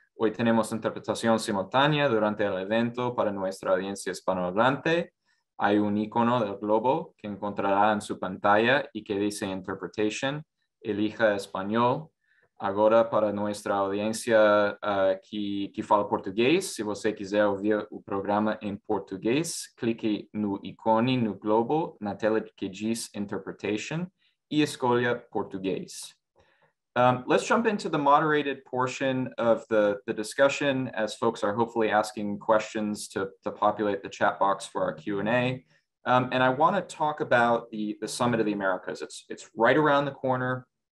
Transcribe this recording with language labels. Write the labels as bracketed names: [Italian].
[Spanish] Hoy tenemos interpretación simultánea durante el evento para nuestra audiencia hispanohablante. Hay un icono del globo que encontrará en su pantalla y que dice interpretation. Elija español. [Portuguese] Agora, para [Spanish] nuestra audiencia [Portuguese] que fala português, se você quiser ouvir o programa em português, clique no ícone no globo na tela que diz interpretation e escolha português. [English] Let's jump into the moderated portion of the discussion, as folks are hopefully asking questions to populate the chat box for our Q&A. And I want to talk about the Summit of the Americas. It's right around the corner.